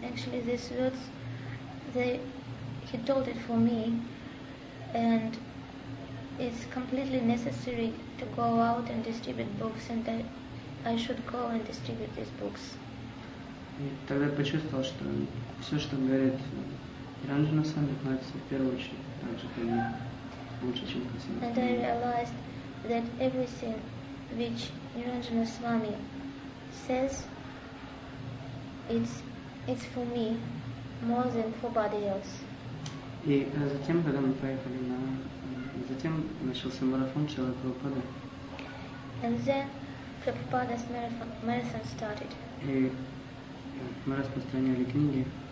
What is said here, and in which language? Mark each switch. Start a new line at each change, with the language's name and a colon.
English: Actually, these words, he told it for me, and it's completely necessary to go out and distribute books, and that I should go and distribute these books.
Russian: И тогда почувствовал, что все, что он говорит. Иранджана сами относится в первую очередь также ко мне, лучше, чем ко всем.
English: And I realized that everything which Niranjana Swami says, it's for me more than for body else.
Russian: И затем, когда мы поехали на... Затем начался марафон Шрилы Прабхупады.
English: And then Prabhupada's marathon started.
Russian: И мы распространяли книги.